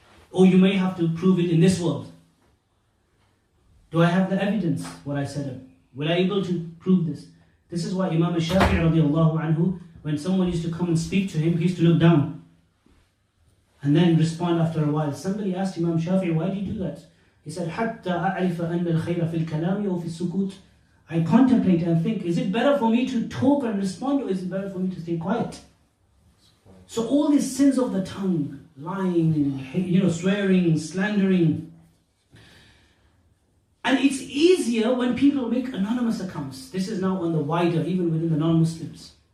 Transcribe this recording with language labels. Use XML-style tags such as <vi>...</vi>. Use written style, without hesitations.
<en>Or you may have to prove it in this world. Do I have the evidence, what I said? Will I be able to prove this? This is why Imam al-Shafi'i radiallahu anhu, when someone used to come and speak to him, he used to look down and then respond after a while. Somebody asked Imam Shafi'i, why do you do that? He said,</en> <ar>حَتَّى أَعْرِفَ أَنَّ الْخَيْرَ فِي الْكَلَامِ وَفِي السُّكُوتِ.</ar> <en>I contemplate and think, is it better for me to talk and respond, or is it better for me to stay quiet? So all these sins of the tongue, lying, you know, swearing, slandering. And it's easier when people make anonymous accounts. This is now on the wider, even within the non-Muslims.</en>